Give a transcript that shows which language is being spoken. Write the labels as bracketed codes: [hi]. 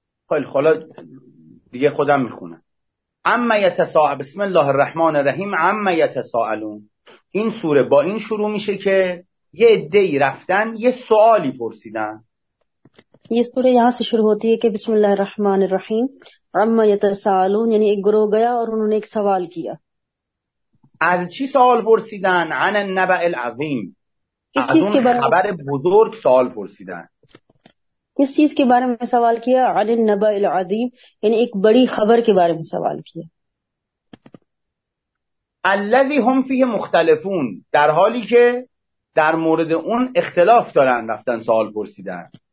[fa] خیلی خالا دیگه خودم میخونم. [ar] اما یتساءل، بسم الله الرحمن الرحیم، اما یتساءلون. [fa] این سوره با این شروع میشه که یه عده‌ای رفتن یه سوالی پرسیدن. [ur] یه سوره یہاں سے شروع ہوتی ہے کہ [ar] بسم اللہ الرحمن الرحیم عم یتسالون، [ur] یعنی ایک گروہ گیا اور انہوں نے ایک سوال کیا. [fa] از چی سوال پرسیدن؟ [ar] عن النبع العظیم، [ur] کس چیز کے بارے [fa] خبر بزرگ سوال پرسیدن. [ur] کس چیز کے بارے میں سوال کیا؟ [ar] عن النبع العظیم، [ur] یعنی ایک بڑی خبر کے بارے میں سوال کیا. [ar] الذی هم فیه مختلفون، [fa] در حالی که در مورد اون اختلاف دارن رفتن سوال پرسیدن.